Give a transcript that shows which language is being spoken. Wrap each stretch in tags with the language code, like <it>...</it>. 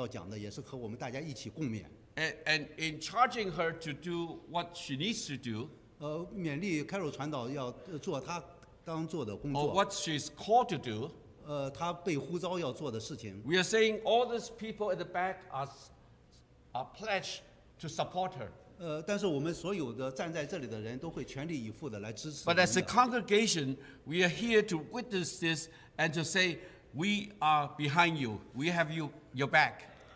<zh>不仅仅是这些话，不仅仅是对Carol传道讲的，也是和我们大家一起共勉。</zh> <en>And in charging her to do what she needs to do.</en> <zh>勉励Carol传道要做她。</zh> <en>Or what she's called to do,</en> <zh>她被呼召要做的事情,</zh> <en>we are saying all these people at the back are pledged to support her.</en> <zh>但是我们所有的站在这里的人都会全力以赴的来支持。</zh> <en>But as a congregation, we are here to witness this and to say we are behind you, we have your back.</en>